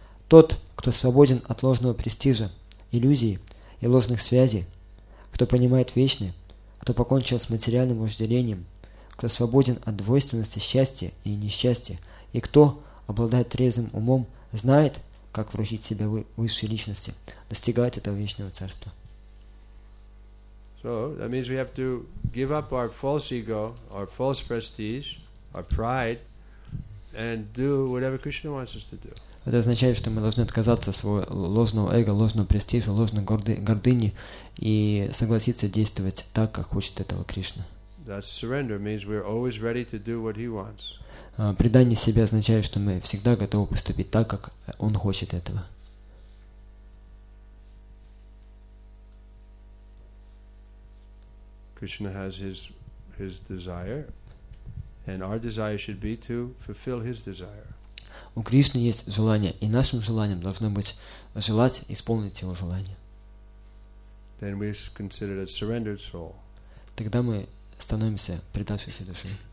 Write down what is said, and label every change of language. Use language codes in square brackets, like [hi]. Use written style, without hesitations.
[ru] Тот, кто свободен от ложного престижа, иллюзий и ложных связей, кто понимает вечное, кто покончил с материальным вожделением, кто свободен от двойственности счастья и несчастья, и кто, обладает трезвым умом, знает, как вручить себя высшей личности, достигает этого вечного царства. [en] So that means we have to give up our false ego, our false prestige, our pride, and do whatever Krishna wants us to do. [ru] Это означает, что мы должны отказаться от своего ложного эго, ложного престижа, ложной гордыни и согласиться действовать так, как хочет этого Кришна. [en] That surrender means we're always ready to do what he wants. [ru] Предание себя означает, что мы всегда готовы поступить так, как он хочет этого. [en] Krishna has his desire, and our desire should be to fulfill his desire. [ru] У Кришны есть желание, и нашим желанием должно быть желать исполнить его желание. [en] Then we consider a surrendered soul. [ru] Тогда мы становимся предавшейся душой.